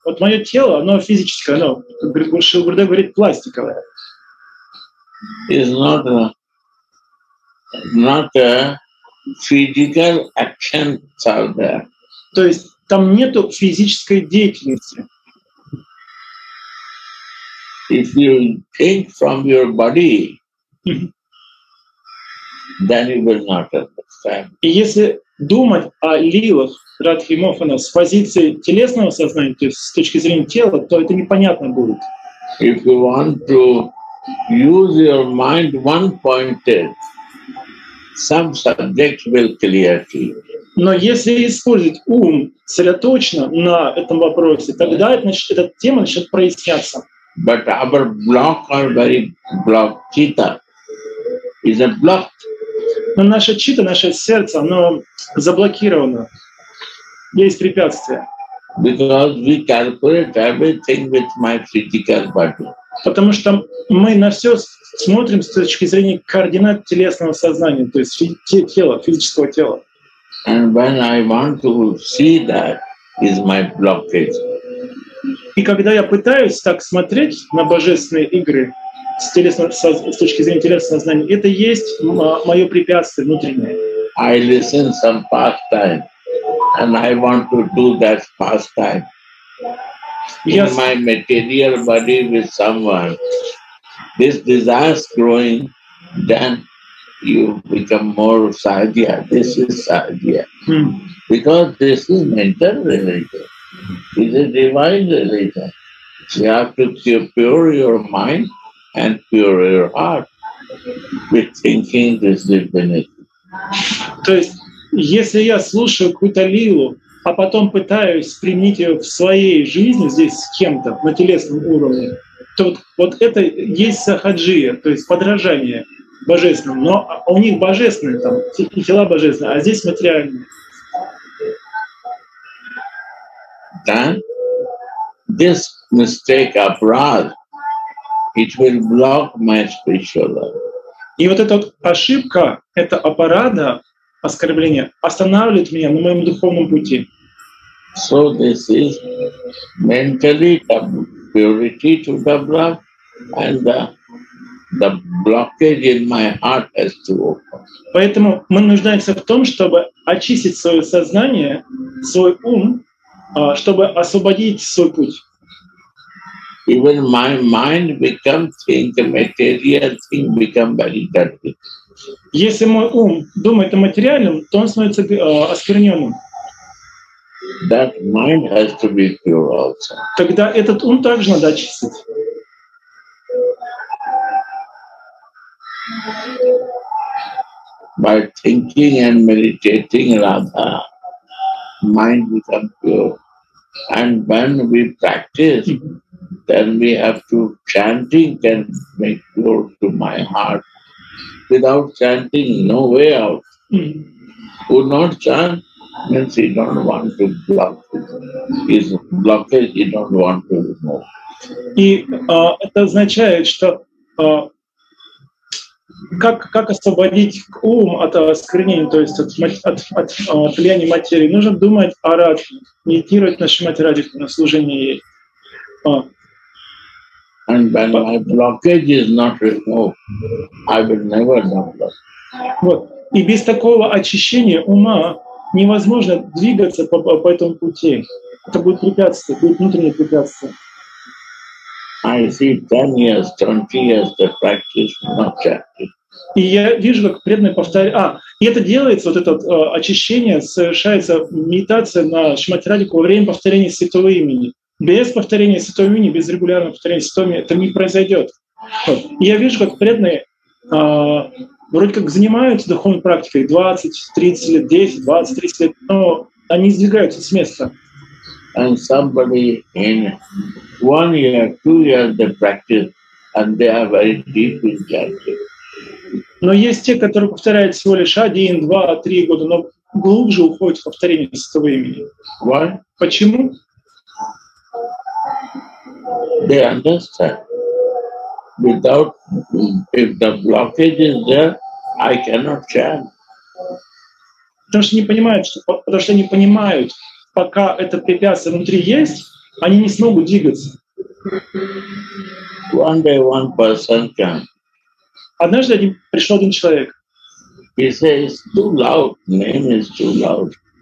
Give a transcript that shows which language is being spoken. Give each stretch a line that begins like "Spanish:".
Russian: Вот мое тело, оно физическое, оно, как говорит Шрила Гурудева, говорит, пластиковое.
English: It's not a physical action out there.
Russian: То есть там нет физической деятельности.
English: If you think from your body, then you will not understand.
Russian: И если думать о лилах Радхимофана с позиции телесного сознания, то есть с точки зрения тела, то это непонятно будет.
English: If you want to use your mind one-pointed, some subject will clear to you.
Russian: Но если использовать ум сосредоточенно на этом вопросе, тогда значит, эта тема начнет проясняться.
English: But our block are very blocked. Chitta is a blocked.
Russian: Но наше чита, наше сердце, оно заблокировано. Есть препятствия.
English: Because we calculate everything with my physical body.
Russian: Потому что мы на все смотрим с точки зрения координат телесного сознания, то есть тела, физического тела.
English: And when I want to see that is my blockage.
Russian: И когда я пытаюсь так смотреть на божественные игры с, телесного, с точки зрения телесного сознания, это есть мое препятствие внутреннее.
English: I listen some pastime, and I want to do that pastime in my material body with someone. This desire is growing, then you become more sadhya. This is sadhya. Because this is mental religion. It's a divine religion. You have to pure your mind and pure your heart with thinking this divinity.
Russian: То есть, если я слушаю какую-то лилу, а потом пытаюсь применить ее в своей жизни здесь с кем-то на телесном уровне, то вот это есть сахаджия, то есть подражание божественному. Но у них божественные там, и тела божественные, а здесь материальные.
English: Then this mistake abroad, it will block my spiritual life.
Russian: И вот эта вот ошибка, это аппарата, оскорбление, останавливает меня на моем духовном пути.
English: So this is mentally purity to develop, and the blockage in my heart has to open.
Russian: Поэтому мы нуждаемся в том, чтобы очистить свое сознание, свой ум, чтобы освободить свой путь.
English: Even my mind becomes think, material thing become very dirty.
Russian: Если мой ум думает о материальном, то он становится оскверненным.
English: That mind has to be pure also.
Russian: Тогда этот ум также надо очистить.
English: By thinking and meditating, Radha, mind becomes pure. And when we practice, then we have to chanting can make pure to my heart. Without chanting, no way out. Who not chant means he don't want to block his blockage. He don't want to remove.
Russian: И это означает, что как освободить ум от оскорнений, то есть от влияния материи, нужно думать о Радхе, медитировать на Шримати Радхе, на служении ей.
English: And when my blockage is not removed, I will never develop.
Russian: Вот. И без такого очищения ума невозможно двигаться по этому пути. Это будет препятствие, будет внутреннее препятствие.
English: I see 10 years, 20 years the practice not chanting.
Russian: И я вижу, как преданный повторяет. И это делается, вот это вот, очищение совершается медитация на Шримати Радхе во время повторения святого имени. Без повторения святого имени, без регулярного повторения святого имени, это не произойдет. Вот. И я вижу, как преданные вроде как занимаются духовной практикой 20-30 лет, 10-20-30 лет, но они сдвигаются с места.
English: And somebody in one year, two years they practice, and they are very deep in chanting.
Russian: Но есть те, которые повторяют всего лишь один, два, три года, но глубже уходят в повторение святого имени.
English: Why?
Russian: Почему?
English: They understand. Without, if the blockage is there, I cannot chant.
Russian: Потому что не понимают, пока это препятствие внутри есть, они не смогут двигаться.
English: One day one person can.
Russian: Однажды пришел один человек.
English: He says, too loud. Name is too loud.